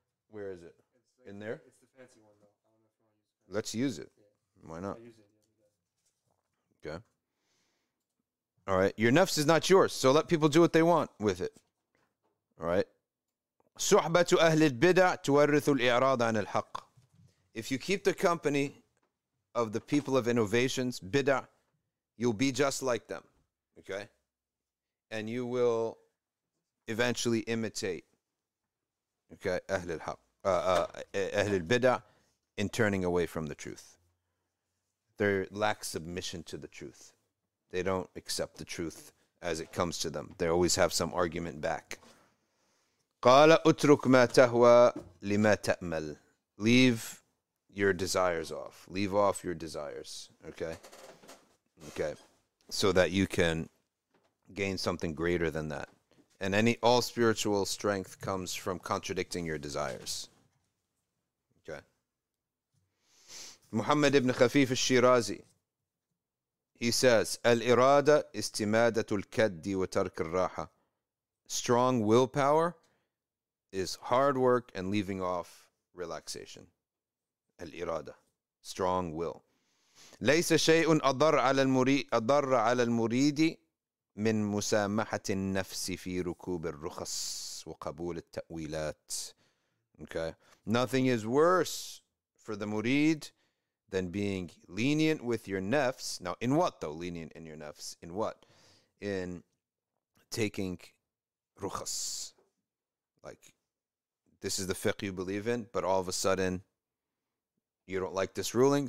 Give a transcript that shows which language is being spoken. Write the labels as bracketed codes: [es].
[en] Where is it? In there? It's the fancy one, though. I don't know if I want to use it. Let's use it. Why not? Okay. All right. Your nafs is not yours, so let people do what they want with it. All right. [ar] صحبة أهل البدع تورث الإعراض عن الحق. [en] If you keep the company of the people of innovations, bid'a, you'll be just like them. Okay? And you will eventually imitate, okay, [ar] أهل الحق, أهل البدع, [en] in turning away from the truth. They lack submission to the truth. They don't accept the truth as it comes to them. They always have some argument back. [ar] قال أترك ما تهوى لما تأمل. [en] Leave your desires off. Leave off your desires. Okay? Okay. So that you can gain something greater than that. And all spiritual strength comes from contradicting your desires. Okay? Muhammad ibn Khafif al-Shirazi. He says, [ar] Al-irada istimadatu al-kaddi wa tark al-raha. [en] Strong willpower is hard work and leaving off relaxation. Al-irada, strong will. [ar] ليس شيء أضر على المريد من مسامحة النفس في ركوب الرخص وقبول التأويلات. [en] Okay. Nothing is worse for the murid than being lenient with your nafs. Now, in what though? Lenient in your nafs. In what? In taking rukhas. Like, this is the fiqh you believe in, but all of a sudden you don't like this ruling.